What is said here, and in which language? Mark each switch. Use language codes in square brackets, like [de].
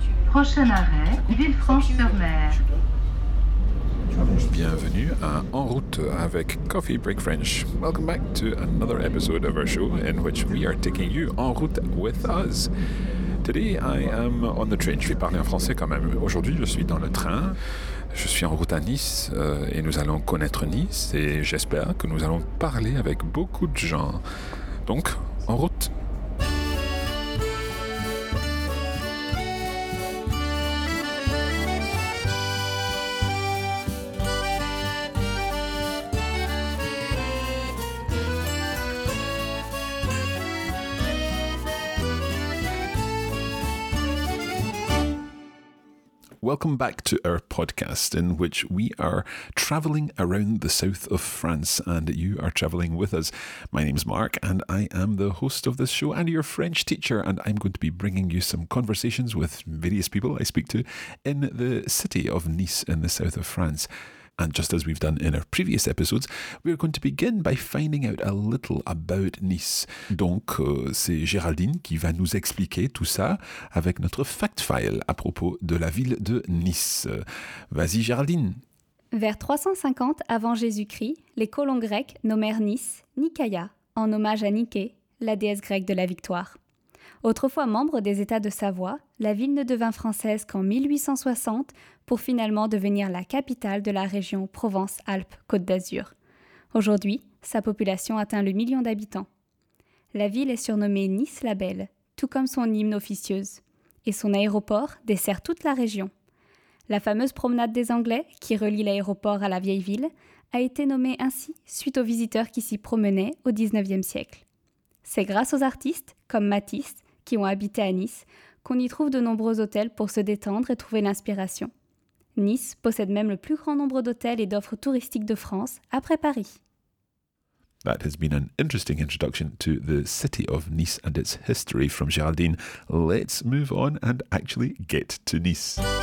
[fr] Prochain arrêt, Villefranche-sur-Mer. Bienvenue à En Route avec Coffee Break French. [en] Welcome back to another episode of our show in which we are taking you en route with us. Today I am on the train. [fr] Je vais parler en français quand même. Aujourd'hui je suis dans le train. Je suis en route à Nice et nous allons connaître Nice et j'espère que nous allons parler avec beaucoup de gens. Donc, en route. [en] Welcome back to our podcast in which we are traveling around the south of France and you are traveling with us. My name is Mark and I am the host of this show and your French teacher, and I'm going to be bringing you some conversations with various people I speak to in the city of Nice in the south of France. And just as we've done in our previous episodes, we are going to begin by finding out a little about Nice. [fr] Donc, c'est Géraldine qui va nous expliquer tout ça avec notre fact file à propos de la ville de Nice. Vas-y, Géraldine. Vers 350 avant Jésus-Christ, les colons grecs nommèrent Nice Nikaia, en hommage à Niké, la déesse grecque de la victoire. Autrefois membre des États de Savoie, la ville ne devint française qu'en 1860 pour finalement devenir la capitale de la région Provence-Alpes-Côte d'Azur. Aujourd'hui, sa population atteint le million d'habitants. La ville est surnommée Nice la Belle, tout comme son hymne officieuse, et son aéroport dessert toute la région. La fameuse promenade des Anglais, qui relie l'aéroport à la vieille ville, a été nommée ainsi suite aux visiteurs qui s'y promenaient au XIXe siècle. C'est grâce aux artistes, comme Matisse, qui ont habité à Nice, qu'on y trouve de nombreux hôtels pour se détendre et trouver l'inspiration. Nice possède même le plus grand nombre d'hôtels et d'offres touristiques de France, après Paris. [en] That has been an interesting introduction to the city of Nice and its history from Géraldine. Let's move on and actually get to Nice.